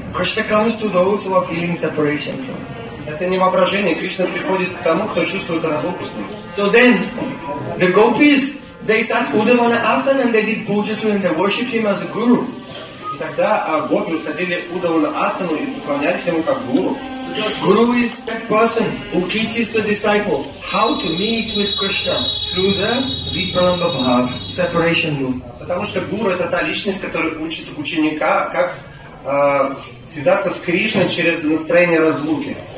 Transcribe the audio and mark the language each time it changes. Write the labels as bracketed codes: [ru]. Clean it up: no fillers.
[en] Krishna comes to those who are feeling separation. [ru] Это не воображение. Кришна приходит к тому, кто чувствует разлуку с ним. [en] So then, the gopis, they sat Uddhava on an asana and they did puja to him, they worshipped him as a guru. [ru] И тогда гопи усадили Уддхава на асану и поклонялись ему как гуру. [en] Because guru is that person who teaches the disciple how to meet with Krishna through the vipralamba bhav, separation movement. [ru] Потому что гуру — это та личность, которая учит ученика, как связаться с Кришной через настроение разлуки.